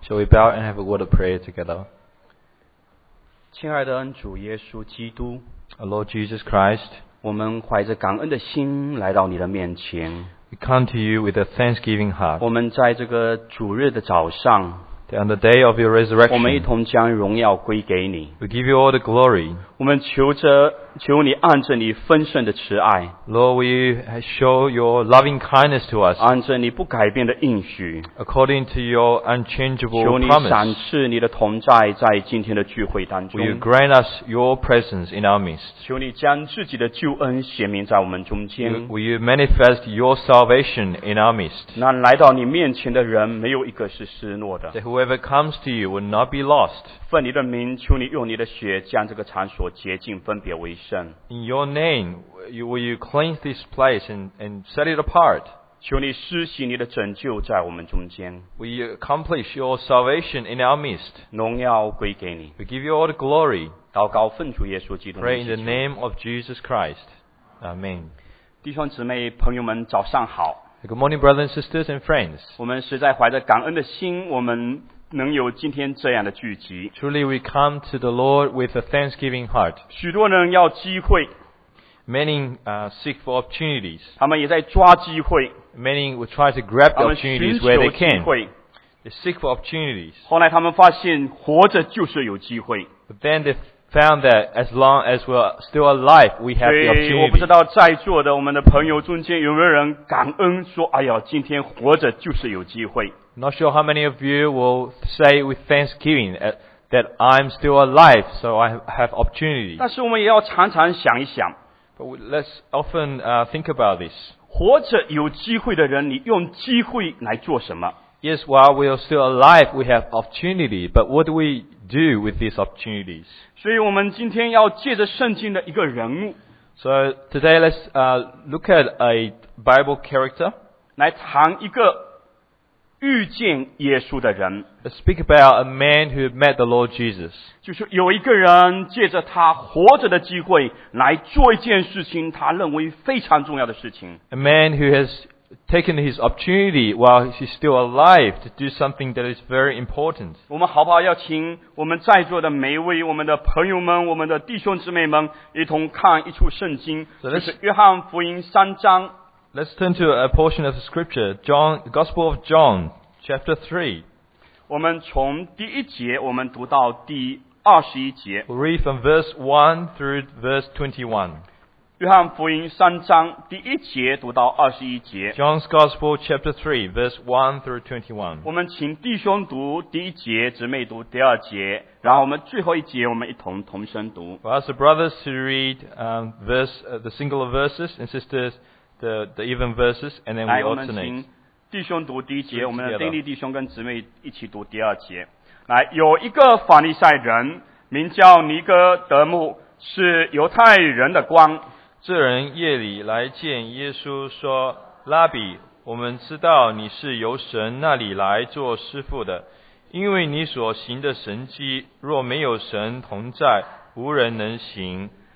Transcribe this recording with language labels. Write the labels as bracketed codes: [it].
[en] Shall we bow and have a word of prayer together? [zh] 亲爱的恩主耶稣基督 [en] Lord Jesus Christ, [zh] 我们怀着感恩的心来到你的面前。 [en] We come to you with a thanksgiving heart. [zh] 我们在这个主日的早上 [en] On the day of your resurrection, [zh] 我们一同将荣耀归给你。 [en] We give you all the glory. [zh] 我们求你按着你分顺的慈爱 [en] Lord, will you show your loving kindness to us? [zh] 按着你不改变的应许 [en] According to your unchangeable promise, [zh] 求你赏赐你的同在在今天的聚会当中 [en] Will you grant us your presence in our midst? [zh] 求你将自己的救恩显明在我们中间 [en] Will you manifest your salvation in our midst? [zh] 那来到你面前的人没有一个是失落的 [en] That whoever comes to you will not be lost. [zh] 奉你的名求你用你的血将这个场所洁净分别为 [en] In your name, will you cleanse this place and set it apart? [zh] 求你施行你的拯救在我们中间。 [en] Will you accomplish your salvation in our midst? [zh] 荣耀归给你。 [en] We give you all the glory. [zh] 祷告奉主耶稣基督。 [en] Pray in the name of Jesus Christ. Amen. [zh] 弟兄姊妹朋友们早上好。 [en] Good morning, brothers and sisters and friends. [zh] 我们实在怀着感恩的心，我们能有今天这样的聚集。 [en] Truly, we come to the Lord with a thanksgiving heart. [zh] 许多人要机会。 [en] Many, seek for opportunities. [zh] 他们也在抓机会。 [en] Many will try to grab the opportunities where they can. They seek for opportunities. [zh] 后来他们发现活着就是有机会。 [en] But then they found that as long as we're still alive, we have the opportunity. [zh] 我不知道在座的我们的朋友中间有没有人感恩说哎呀今天活着就是有机会。 [en] Not sure how many of you will say with thanksgiving that I'm still alive, so I have opportunity. [zh] 但是我们也要常常想一想。 [en] But let's often think about this. [zh] 活着有机会的人，你用机会来做什么？ [en] Yes, while we are still alive, we have opportunity. But what do we do with these opportunities? [zh] 所以我们今天要借着圣经的一个人物。 [en] So today let's look at a Bible character. [zh] 来谈一个遇见耶稣的人 [en] Speak about a man who met the Lord Jesus. [zh] 就是有一个人借着他活着的机会来做一件事情他认为非常重要的事情 [en] A man who has taken his opportunity while he's still alive to do something that is very important. [zh] 我们好不好要请我们在座的每一位我们的朋友们我们的弟兄姊妹们一同看一处圣经 so 就是约翰福音三章 [en] Let's turn to a portion of the scripture, Gospel of John, chapter 3. [zh] 我们从第一节我们读到第二十一节。 [en] We'll read from verse 1 through verse 21. [zh] 约翰福音三章第一节读到二十一节。 [en] John's Gospel, chapter 3, verse 1 through 21. [zh] 我们请弟兄读第一节，姊妹读第二节，然后我们最后一节我们一同同声读。 [en] We'll ask the brothers to read the singular verses and sisters,The even verses, and then we alternate. [zh] 来，我们请弟兄读第一节，我们的丁力弟兄跟姊妹一起读第二节。来，有一个法利赛人，名叫尼哥德慕，是犹太人的官。这人夜里来见耶稣，说：“拉比，我们知道你是由神那里来做师父的，因为你所行的神迹，若没有神同在，无人能行。”